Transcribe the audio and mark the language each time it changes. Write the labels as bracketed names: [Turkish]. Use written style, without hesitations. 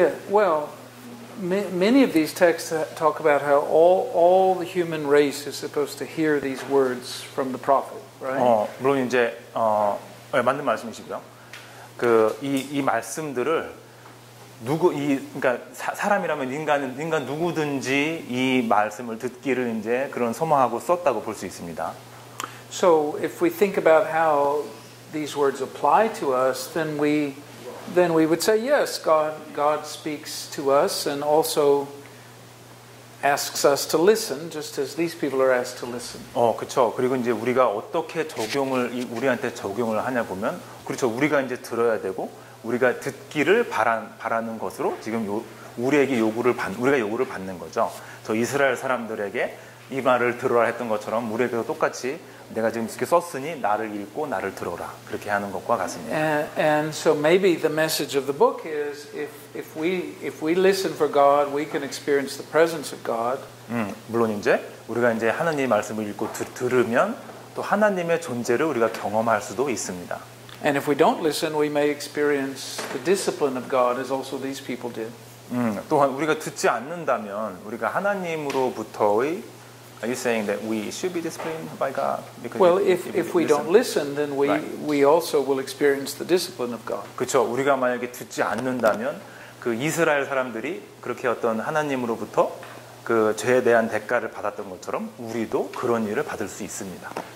[English] Well, many of these texts talk about how all the human race is supposed to hear these words from the prophet, right? [Korean] 물론 이제 맞는 말씀이시고요. 그 이 말씀들을 누구 이 그러니까 사람이라면 인간 누구든지 이 말씀을 듣기를 이제 그런 소망하고 썼다고 볼 수 있습니다. [English] So if we think about how these words apply to us, then we would say yes, God speaks to us and also asks us to listen, just as these people are asked to listen. [Korean] 그렇죠. 그리고 이제 우리가 어떻게 적용을 우리한테 적용을 하냐 보면 그렇죠. 우리가 이제 들어야 되고. 우리가 듣기를 바라는 것으로 지금 우리에게 요구를 우리가 요구를 받는 거죠. 저 이스라엘 사람들에게 이 말을 들어라 했던 것처럼 우리에게도 똑같이 내가 지금 이렇게 썼으니 나를 읽고 나를 들어라 그렇게 하는 것과 같습니다. [English] And so maybe the message of the book is if we listen for God, we can experience the presence of God. [Korean] 물론 이제 우리가 이제 하나님의 말씀을 읽고 들으면 또 하나님의 존재를 우리가 경험할 수도 있습니다. [English] And if we don't listen, we may experience the discipline of God, as also these people did. [Korean] 또한 우리가 듣지 않는다면 우리가 하나님으로부터의 [English] Are you saying that we should be disciplined by God? Well, if we don't listen, then we also will experience the discipline of God. [Korean] 그렇죠. 우리가 만약에 듣지 않는다면 그 이스라엘 사람들이 그렇게 어떤 하나님으로부터 그 죄에 대한 대가를 받았던 것처럼 우리도 그런 일을 받을 수 있습니다.